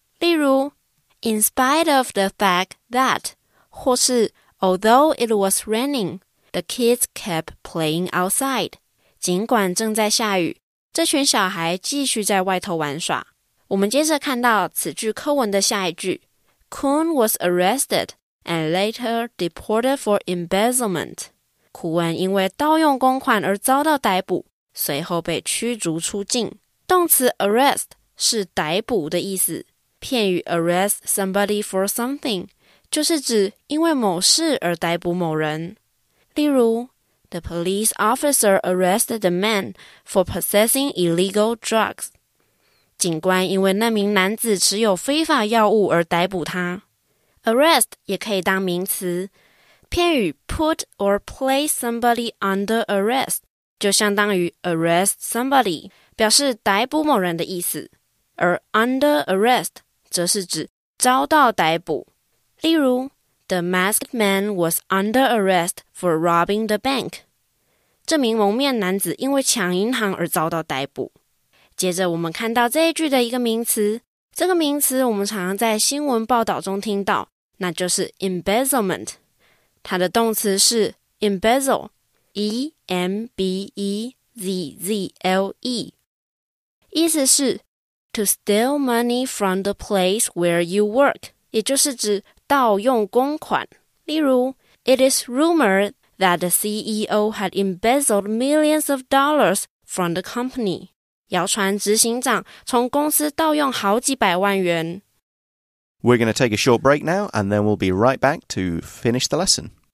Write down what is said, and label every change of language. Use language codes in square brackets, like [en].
[zh] 例如 [en] in spite of the fact that， [zh] 或是 [en] although it was raining，The kids kept playing outside. [zh] 尽管正在下雨，这群小孩继续在外头玩耍。我们接着看到此句课文的下一句。 [en] Kuhn was arrested and later deported for embezzlement. [zh] 库恩因为盗用公款而遭到逮捕，随后被驱逐出境。动词 arrest 是逮捕的意思。片语 [en] arrest somebody for something [zh] 就是指因为某事而逮捕某人。例如 [en] The police officer arrested the man for possessing illegal drugs. [zh] 警官因为那名男子持有非法药物而逮捕他。 [en] Arrest [zh] 也可以当名词。片语 [en] put or place somebody under arrest [zh] 就相当于 [en] arrest somebody, [zh] 表示逮捕某人的意思。而 under arrest 则是指遭到逮捕。例如 [en] ,the masked man was under arrest for robbing the bank. [zh] 这名蒙面男子因为抢银行而遭到逮捕。接着我们看到这一句的一个名词，这个名词我们常常在新闻报道中听到，那就是 embezzlement。它的动词是 embezzle, E-M-B-E-Z-Z-L-E, 意思是 [en] to steal money from the place where you work, [zh] 也就是指盗用公款。例如 [en] ,It is rumored that the CEO had embezzled millions of dollars from the company. [zh] 谣传执行长从公司盗用好几百万元。 [en] We're going to take a short break now, and then we'll be right back to finish the lesson.